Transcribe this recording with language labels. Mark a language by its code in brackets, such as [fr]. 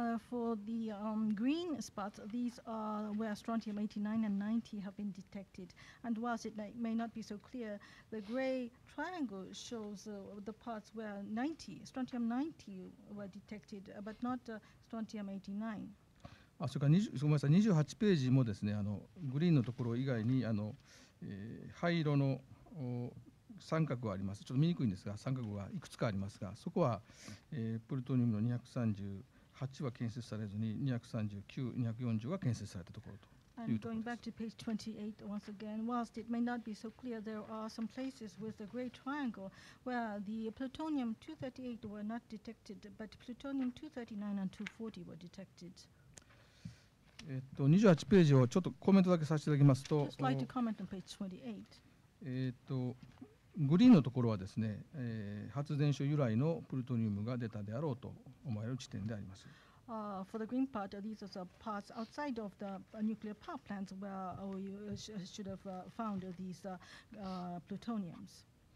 [en] For the green spots, these are where strontium 89 and 90 have been detected. And whilst it may not be so clear, the grey triangle shows the parts where 90, strontium 90 were detected, but not strontium 89. [ja] それから20、ごめんなさい、28ページもですね、グリーンのところ以外に灰色の三角があります。ちょっと見にくいんですが、三角がいくつかありますが、そこは、プルトニウムの2308は検出されずに239、240が検出されたところというところです。 [en] Going back to page 28 once again, whilst it may not be so clear, there are some places with the grey triangle where the plutonium 238 were not detected, but plutonium 239 and 240 were detected. [ja] 28ページをちょっとコメントだけさせていただきますと、 [en] Just like to comment on page 28. [ja] グリーンのところはですね、発電所由来のプルトニウムが出たであろうと思われる地点であります。 [en] For the green part, these are the parts outside of the nuclear power plants where you should have found these plutoniums.